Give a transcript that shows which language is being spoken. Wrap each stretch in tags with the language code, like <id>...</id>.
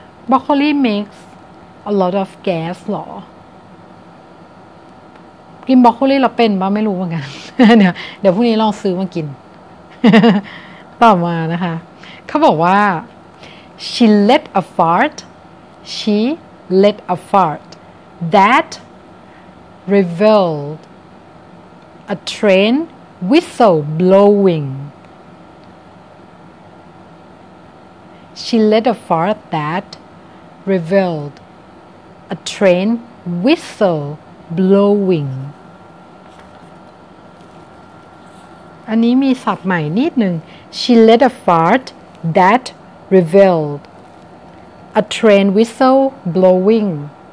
<en>broccoli makes a lot of gas</en> <th>หรอกินบรอกโคลีเราเป็นป่ะไม่รู้เหมือนกันเดี๋ยวพรุ่งนี้ลองซื้อมากินต่อมานะคะเขาบอกว่า</th> <en>She let a fart. She let a fart that revealed a train whistle blowing. She let a fart that revealed a train whistle blowing.</en> <th>อันนี้มีศัพท์ใหม่นิดนึง</th> <en>She let a fart that revealed a train whistle blowing.</en>